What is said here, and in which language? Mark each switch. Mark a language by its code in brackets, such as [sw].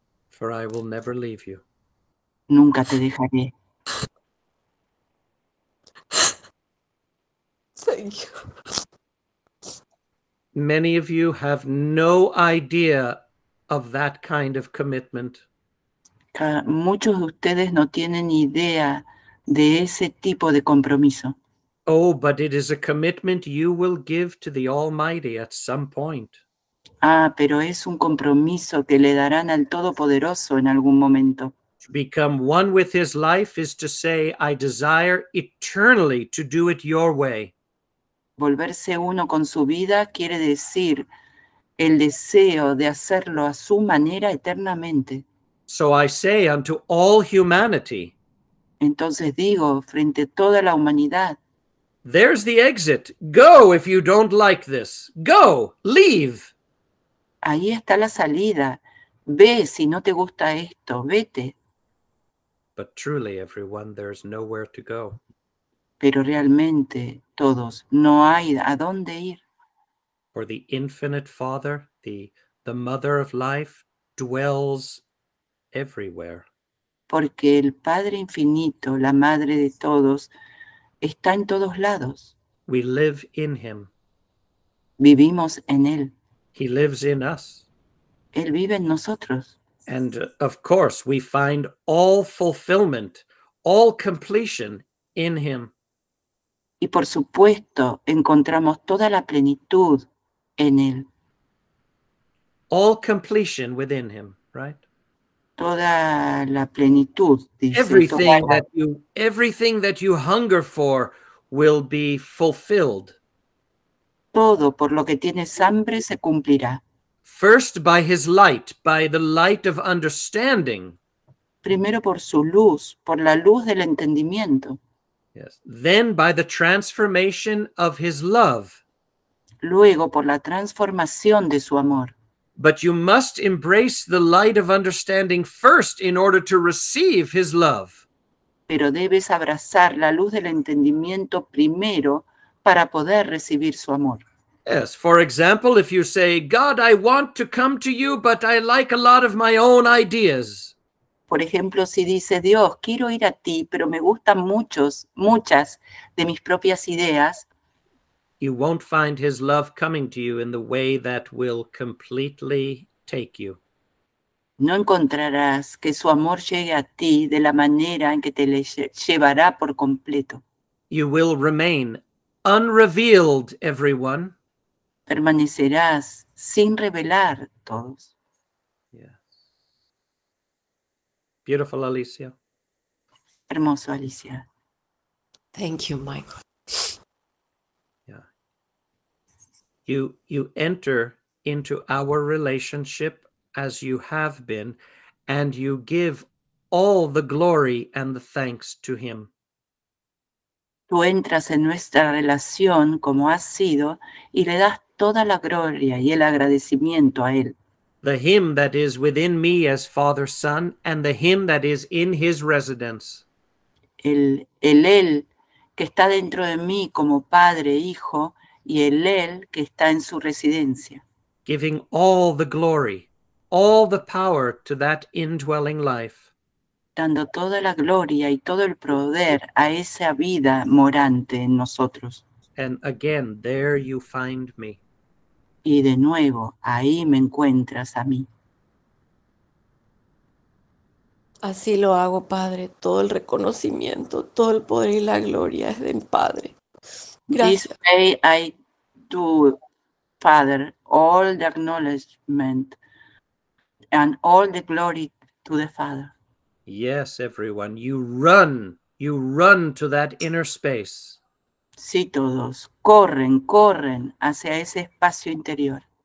[en] For I will never leave you. [es] Nunca te dejaré. [en] Thank you. Many of you have no idea of that kind of commitment. [es] Muchos de ustedes no tienen idea de ese tipo de compromiso. [en] Oh, but it is a commitment you will give to the Almighty at some point. [es] Ah, pero es un compromiso que le darán al Todopoderoso en algún momento. [en] To become one with his life is to say, I desire eternally to do it your way. [es] Volverse uno con su vida quiere decir el deseo de hacerlo a su manera eternamente. [en] So I say unto all humanity. [es] Entonces digo frente a toda la humanidad. [en] There's the exit. Go if you don't like this. Go, leave. [es] Ahí está la salida. Ve si no te gusta esto, vete. [en] But truly, everyone, there's nowhere to go. [es] Pero realmente, todos, no hay a dónde ir. [en] For the infinite Father, the mother of life, dwells everywhere. [es] Porque el Padre Infinito, la madre de todos, está en todos lados. [en] We live in him. [es] Vivimos en él. [en] He lives in us. [es] Él vive en nosotros. [en] And of course, we find all fulfillment, all completion in him. [es] Y por supuesto, encontramos toda la plenitud en él. [en] All completion within him, right? [es] Toda la plenitud, dice, [en] everything [es] toda [en] everything that you hunger for will be fulfilled. [es] Todo por lo que tienes hambre se cumplirá. [en] First by his light, by the light of understanding. [es] Primero por su luz, por la luz del entendimiento. [en] Yes. Then by the transformation of his love. [es] Luego por la transformación de su amor. [en] But you must embrace the light of understanding first in order to receive his love. [es] Pero debes abrazar la luz del entendimiento primero para poder recibir su amor. [en] Yes, for example, if you say, God, I want to come to you, but I like a lot of my own ideas. [es] Por ejemplo, si dice, Dios, quiero ir a ti, pero me gustan muchas de mis propias ideas. [en] You won't find his love coming to you in the way that will completely take you. [es] No encontrarás que su amor llegue a ti de la manera en que te le llevará por completo. [en] You will remain unrevealed, everyone. [es] Permanecerás sin revelar todos. [en] Yes. Beautiful, Alicia. [es] Hermoso, Alicia. [en] Thank you, Michael. Yeah. You enter into our relationship as you have been, and you give all the glory and the thanks to him. [es] Tú entras en nuestra relación como has sido y le das toda la gloria y el agradecimiento a él. [en] The hymn that is within me as Father, Son, and the hymn that is in his residence. [es] El él que está dentro de mí como Padre, Hijo, y el él que está en su residencia. [en] Giving all the glory, all the power to that indwelling life. [es] Dando toda la gloria y todo el poder a esa vida morante en nosotros. [en] And again, there you find me. [es] Y de nuevo, ahí me encuentras a mí. Así lo hago, Padre. Todo el reconocimiento, todo el poder y la gloria es del Padre. Gracias. [en] This way I do, Father, all the acknowledgement and all the glory to the Father. Yes, everyone. You run to that inner space. [es] Sí, todos. Corren hacia ese espacio interior.